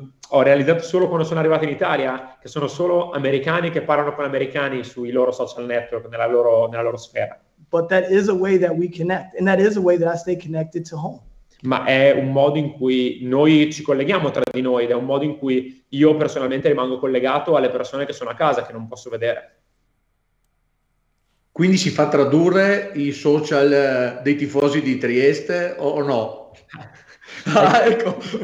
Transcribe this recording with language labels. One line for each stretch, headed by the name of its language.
Italian: Ho realizzato solo quando sono arrivato in Italia che sono solo americani che parlano con americani sui loro social network, nella loro sfera.
English: But that is a way that we connect, and that is a way that I stay connected to home.
Italian: Ma è un modo in cui noi ci colleghiamo tra di noi, ed è un modo in cui io personalmente rimango collegato alle persone che sono a casa, che non posso vedere. Quindi si fa tradurre i social dei tifosi di Trieste o no? Ah, ecco.